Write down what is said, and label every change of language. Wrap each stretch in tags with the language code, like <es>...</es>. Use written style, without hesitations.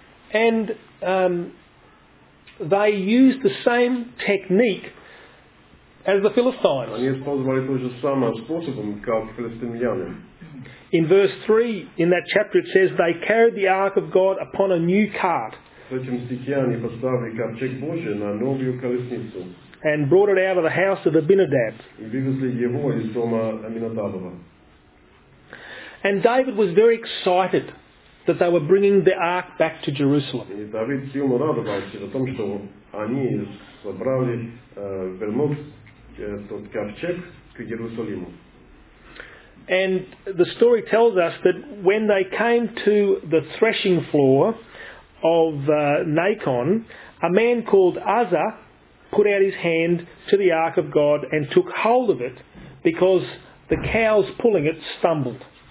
<en>And they used the same technique as the Philistines.</en> <ru>Они использовали тот же самый способ, как филистимляне.</ru> <en>In verse 3 in that chapter it says they carried the ark of God upon a new cart.</en> <ru>В этом стихе они поставили ковчег Божий на новую колесницу.</ru> <en>And brought it out of the house of Abinadab.</en> <ru>И вывезли его из дома Аминадаба.</ru> <en>And David was very excited that they were bringing the ark back to Jerusalem.</en> <ru>И Давид сильно радовался о том, что они собрали вернуть тот ковчег к Иерусалиму.</ru> <en>And the story tells us that when they came to the threshing floor of Nacon, a man called Uzzah put out his hand to the ark of God and took hold of it because the cows pulling it stumbled.</en>